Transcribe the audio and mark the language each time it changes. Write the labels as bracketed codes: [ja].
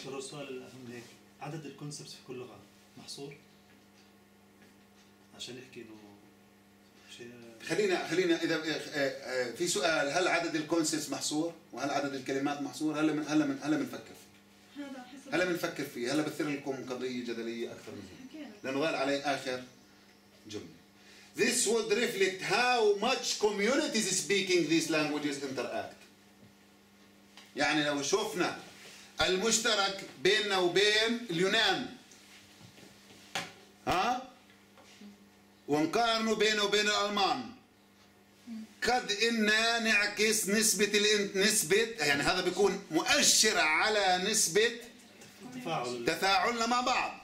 [ar] ترى السؤال الاهم هيك، عدد الكونسبتس في كل لغة محصور؟ عشان نحكي انه خلينا اذا في سؤال، هل عدد الكونسبتس محصور وهل عدد الكلمات محصور؟ هلا بنفكر فيه، هلا بنفكر فيه، هلا بثير لكم قضيه جدليه اكثر من هيك لانه غال علي اخر جمله. [en] This would reflect how much communities speaking these languages interact. [ar] يعني لو شفنا المشترك بيننا وبين اليونان ها ونقارنه بينه وبين الألمان قد إننا نعكس نسبة النسبة يعني هذا بيكون مؤشر على نسبة تفاعلنا مع بعض.